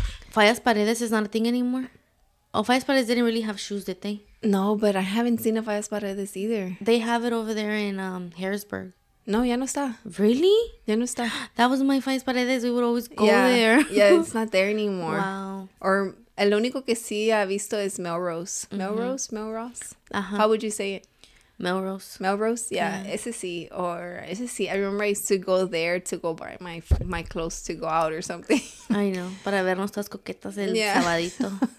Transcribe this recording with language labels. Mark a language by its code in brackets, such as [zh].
[en] Fallas Paredes is not a thing anymore. Oh, Fallas Paredes didn't really have shoes, did they? No, but I haven't seen a Fallas Paredes either. They have it over there in Harrisburg. [es] No, ya no está. [en] Really? [es] Ya no está. [en] That was my Fallas Paredes. We would always go there. Yeah, it's not there anymore. Wow. [es] Or el único que sí ha visto es Melrose. [en] Mm-hmm. Melrose? Melrose? Uh-huh. How would you say it? Melrose. [es] Melrose? Yeah. Ese sí. Or ese sí. [en] I remember I used to go there to go buy my clothes to go out or something. I know. [es] Para ver nuestras coquetas el sabadito.